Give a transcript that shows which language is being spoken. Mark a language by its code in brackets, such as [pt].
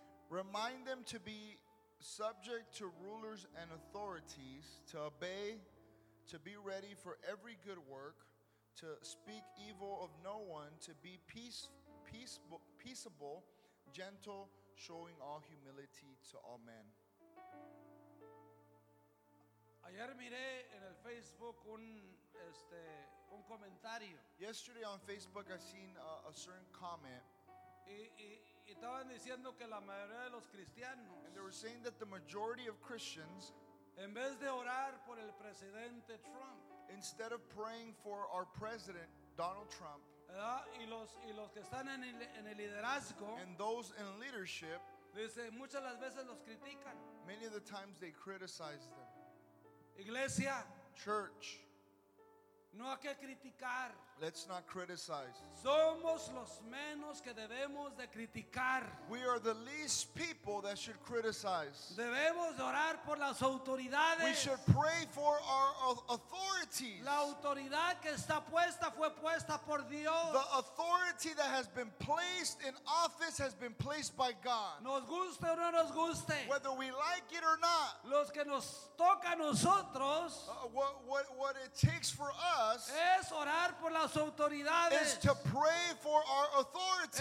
[en] Remind them to be subject to rulers and authorities, to obey, to be ready for every good work, to speak evil of no one, to be peaceable, gentle, showing all humility to all men. [es] Ayer miré en el Facebook un comentario. [en] Yesterday on Facebook I seen a certain comment. [es] Y estaban diciendo que la mayoría de los cristianos, [en] and they were saying that the majority of Christians, [es] en vez de orar por el presidente Trump, [en] instead of praying for our president Donald Trump, [es] y los que están en el liderazgo, [en] and those in leadership, [es] dice, muchas las veces los critican. [en] Many of the times they criticize them. [es] Iglesia, [en] church, [es] no hay que criticar. [en] Let's not criticize. [es] Somos los menos que debemos de criticar. [en] We are the least people that should criticize. [es] Debemos de orar por las autoridades. [en] We should pray for our authorities. [es] La autoridad que está puesta fue puesta por Dios. [en] The authority that has been placed in office has been placed by God. [es] Nos guste o no nos guste. [en] Whether we like it or not. [es] Los que nos toca a nosotros. [en] What it takes for us [es] es orar por las autoridades, [en] is to pray for our authorities,